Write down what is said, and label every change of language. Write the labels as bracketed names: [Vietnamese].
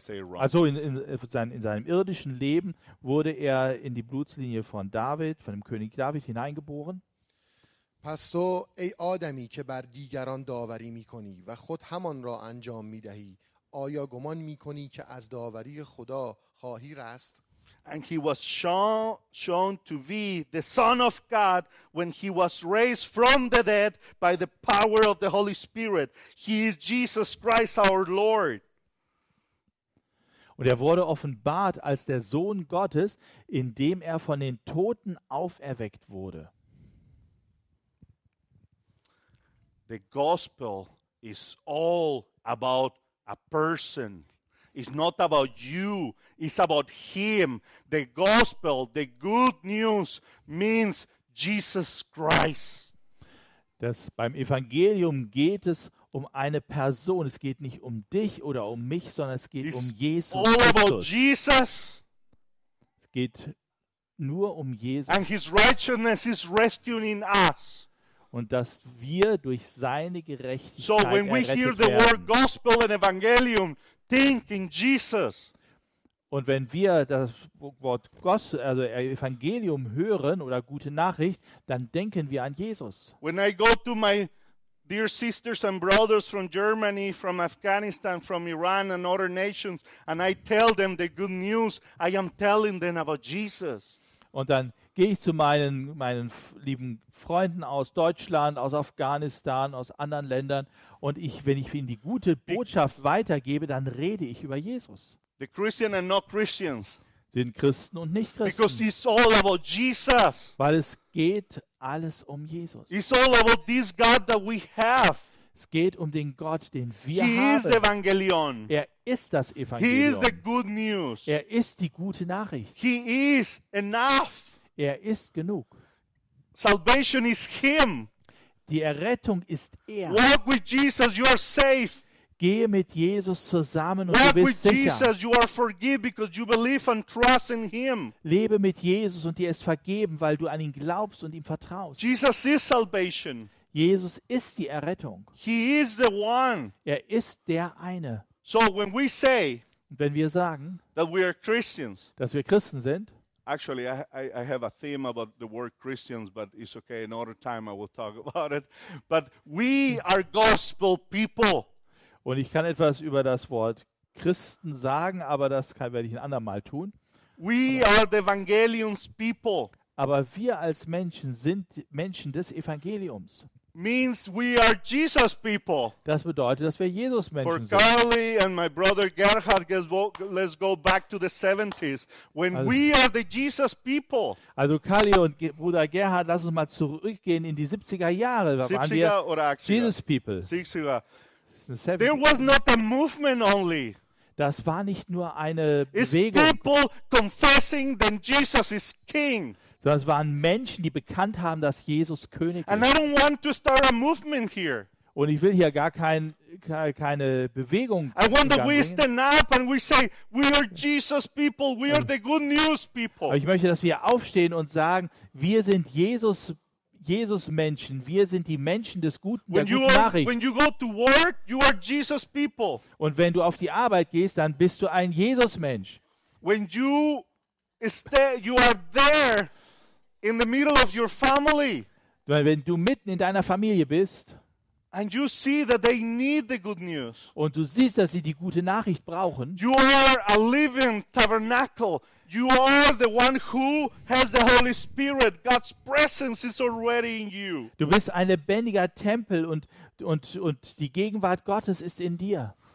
[German] In seinem irdischen Leben wurde er in die Blutslinie von David, von dem König David hineingeboren. [Persian] پس تو ای آدمی که بر دیگران داوری میکنی و خود همان را انجام میدهی آیا گمان میکنی که از داوری خدا خواهی رست؟ [English] And he was shown to be the son of God when he was raised from the dead by the power of the Holy Spirit. He is Jesus Christ our Lord. [German] Und er wurde offenbart als der Sohn Gottes, indem er von den Toten auferweckt wurde. [English] The gospel is all about a person. It's not about you. It's about him. The gospel, the good news, means Jesus Christ. [German] Das beim Evangelium geht es um eine Person. Es geht nicht um dich oder um mich, sondern es geht [English] it's [German] um Jesus [English] all [German] Christus. [English] About Jesus. [German] Es geht nur um Jesus. [English] And his righteousness is rescued in us. [German] Und dass wir durch seine Gerechtigkeit [English] so when we [German] errettet [English] hear the [German] werden. [English] Word gospel and evangelium, think in Jesus. [German] Und wenn wir das Wort Evangelium hören oder gute Nachricht, dann denken wir an Jesus. [English] When I go to my dear sisters and brothers from Germany, from Afghanistan, from Iran and other nations, and I tell them the good news, I am telling them about Jesus. [German] Und dann gehe ich zu meinen lieben Freunden aus Deutschland, aus Afghanistan, aus anderen Ländern und wenn ich ihnen die gute Botschaft weitergebe, dann rede ich über Jesus. [English] The Christian and not Christians. [German] sind Christen und Nicht-Christen. [English] Because it's all about Jesus. [German] Weil es geht alles um Jesus. [English] It's all about this God that we have. [German] Es geht um den Gott, den wir haben. [English] He is the Evangelion. [German] Er ist das Evangelium. [English] He is the good news. [German] Er ist die gute Nachricht. [English] He is enough. [German] Er ist genug. [English] Salvation is him. [German] Die Errettung ist er. [English] Walk with Jesus, you are safe. [German] Gehe mit Jesus zusammen und [English] walk [German] du bist sicher. [English] Jesus, you are forgiven because you believe and trust in him. [German] Lebe mit Jesus und dir ist vergeben, weil du an ihn glaubst und ihm vertraust. [English] Jesus is salvation. [German] Jesus ist die Errettung. [English] He is the one. [German] Er ist der eine. [English] So when we say, [German] wenn wir sagen, [English] that we are Christians, [German] dass wir Christen sind, [English] actually I have a theme about the word Christians, but it's okay, another time I will talk about it. But we are gospel people. [German] Und ich kann etwas über das Wort Christen sagen, aber das werde ich ein andermal tun. [English] We are the Evangelion's people. [German] Aber wir als Menschen sind Menschen des Evangeliums. [English] Means we are Jesus people. [German] Das bedeutet, dass wir Jesus-Menschen sind. [English] For Carly and my brother Gerhard, let's go back to the 70s. When also, we are the Jesus people. [German] Also Carly und Bruder Gerhard, lass uns mal zurückgehen in die 70er Jahre. Da 70er waren wir oder 80er? [English] Jesus people. 60er. There was not a movement only. [German] Das war nicht nur eine [English] It's [German] Bewegung. [English] People confessing that Jesus is king. [German] Das waren Menschen, die bekannt haben, dass Jesus König ist. [English] And I don't want to start a movement here. [German] Und ich will hier gar keine Bewegung. [English] I want that we stand up and we say we are Jesus people, we are the good news people. [German] Ich möchte, dass wir aufstehen und sagen, wir sind Jesus Jesus-Menschen, wir sind die Menschen des guten, [English] when [German] der guten Nachricht. [English] When you go to work, you are Jesus people. [German] Und wenn du auf die Arbeit gehst, dann bist du ein Jesus-Mensch. [English] When you stay, you are there in the middle of your family. [German] Wenn du mitten in deiner Familie bist. [English] And you see that they need the good news. [German] Und du siehst, dass sie die gute Nachricht brauchen. [English] You are a living tabernacle. You are the one who has the Holy Spirit. God's presence is already in you. [German] Du bist ein lebendiger Tempel und die Gegenwart Gottes ist in dir.